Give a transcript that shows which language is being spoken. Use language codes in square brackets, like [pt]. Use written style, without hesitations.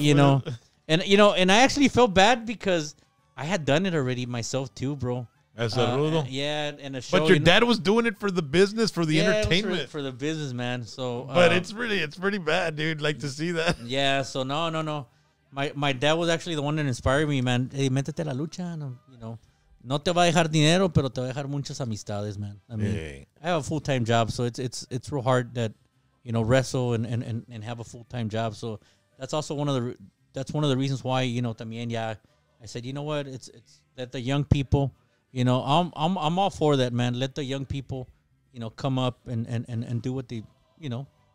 [en] Yeah, you know, and I actually felt bad because I had done it already myself too, bro. As a rudo? Yeah, in a show. But your dad was doing it for the business, for the entertainment. For the business, man. So, but it's pretty bad, dude, like to see that. Yeah, so no. My dad was actually the one that inspired me, man. [es] Hey, métete a la lucha, no, you know. No te va a dejar dinero, pero te va a dejar muchas amistades, man. [en] I mean, yeah. I have a full-time job, so it's real hard that, you know, wrestle and have a full-time job. So that's also one of the reasons why, you know, también, yeah, I said, you know what, it's that the young people, you know, I'm all for that, man. Let the young people, you know, come up and do what they, you know.